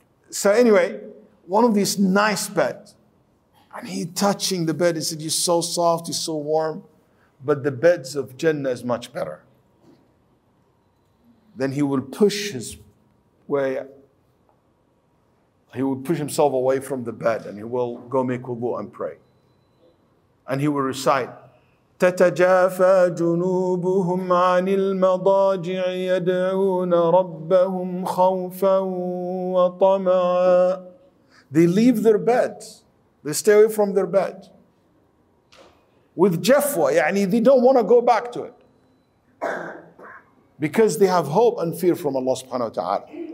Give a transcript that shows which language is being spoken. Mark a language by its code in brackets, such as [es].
[en] So anyway, one of these nice beds, and he touching the bed, he said, you're so soft, you're so warm. But the beds of Jannah is much better. Then he will push his way. He will push himself away from the bed and he will go make wudu and pray. And he will recite, [ar] تَتَجَافَى جُنُوبُهُمْ عَنِ الْمَضَاجِعِ يَدْعُونَ رَبَّهُمْ خَوْفًا وَطَمَعًا. [en] They leave their beds. They stay away from their bed. With jafwa, yani they don't want to go back to it. Because they have hope and fear from Allah subhanahu wa ta'ala.